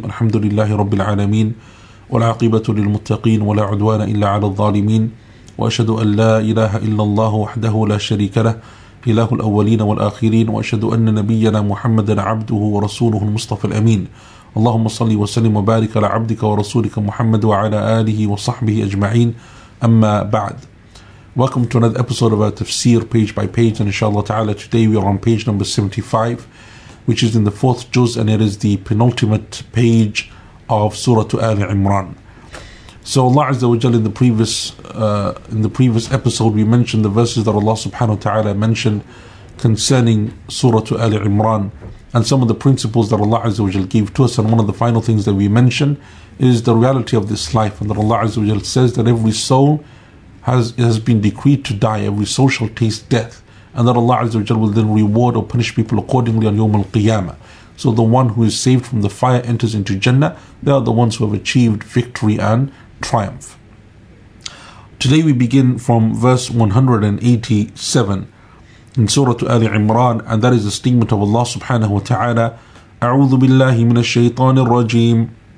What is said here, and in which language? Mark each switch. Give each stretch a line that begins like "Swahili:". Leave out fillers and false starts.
Arabic: الحمد لله رب العالمين، والعاقبة للمتقين، ولا عدوان إلا على الظالمين. وأشهد أن لا إله إلا الله وحده لا شريك له، إله الأولين والآخرين. وأشهد أن نبينا محمدا عبده ورسوله المصطفى الأمين. اللهم صل وسلم وبارك على عبدك ورسولك محمد وعلى آله وصحبه أجمعين. أما بعد،
English: Welcome to another episode of our Tafsir page by page, and inshallah ta'ala today we are on page number 75, which is in the fourth juz, and it is the penultimate page of Surah Al Imran. So Allah Azza wa Jalla, in the previous episode, we mentioned the verses that Allah Subhanahu wa Ta'ala mentioned concerning Surah Al Imran and some of the principles that Allah Azza wa Jalla gave to us. And one of the final things that we mentioned is the reality of this life, and that Allah Azza wa Jalla says that every soul has been decreed to die, every soul shall taste death, and that Allah Azza wa Jalla will then reward or punish people accordingly on Yawm Al-Qiyamah. So the one who is saved from the fire enters into Jannah. They are the ones who have achieved victory and triumph. Today we begin from verse 187 in Surah Ali Imran, and that is the statement of Allah subhanahu wa ta'ala.
Arabic: أعوذ بالله من الشيطان الرجيم.